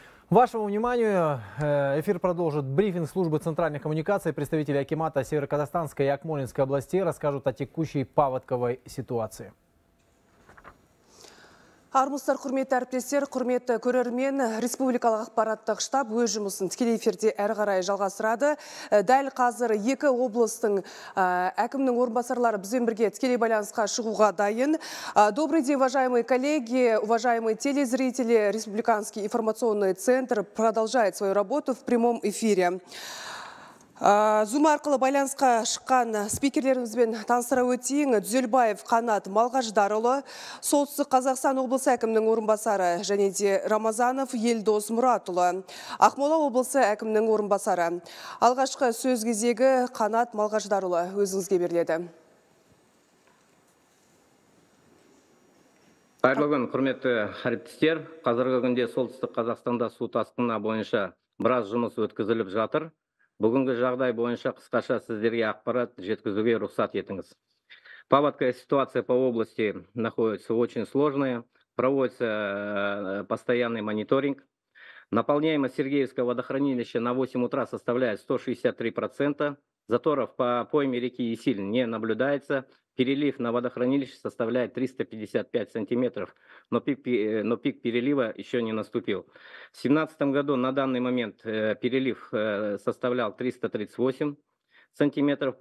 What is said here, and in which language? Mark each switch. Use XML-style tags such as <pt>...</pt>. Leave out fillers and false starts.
<ru>Вашему вниманию эфир продолжит брифинг службы центральной коммуникации. Представители Акимата Северо-Казахстанской и Акмолинской областей расскажут о текущей паводковой ситуации.</ru> <kk>Армыстар, құрметті әріптестер, құрметті көрермен, республикалық ақпараттық штаб өз жұмысын тікелей эфирде әрі қарай жалғастырады. Дәл қазір екі облыстың әкімнің орынбасарлары бізбен бірге тікелей байланысқа шығуға дайын.</kk> <ru>Добрый день, уважаемые коллеги, уважаемые телезрители. Республиканский информационный центр продолжает свою работу в прямом эфире.</ru> <kk>Зум арқылы байланысқа шыққан спикерлерімізбен таныстыра өтейін. Дүзелбаев Қанат Малғаждарұлы, солтүстік Қазақстан облысы әкімінің орынбасары, және де Рамазанов Елдос Мұратұлы, Ақмола облысы әкімінің орынбасары. Алғашқы сөз кезегі Қанат Малғаждарұлы өзіңізге беріледі. Қайырлы күн, құрметті әріптестер. Қазіргі күнде солтүстік Қазақстанда су тасқынына бойынша біраз жұмыс өткізіліп жатыр. Бүгінгі жағдай бойынша қысқаша сіздерге ақпарат жеткізуге рұқсат етіңіз.</kk> <ru>Паводковая ситуация по области находится очень сложная. Проводится постоянный мониторинг. Наполняемость Сергеевского водохранилища на 8 утра составляет 163%. Заторов по пойме реки Есиль не наблюдается. Перелив на водохранилище составляет 355 сантиметров, но пик перелива еще не наступил. В 2017 году на данный момент перелив составлял 338 сантиметров.</ru>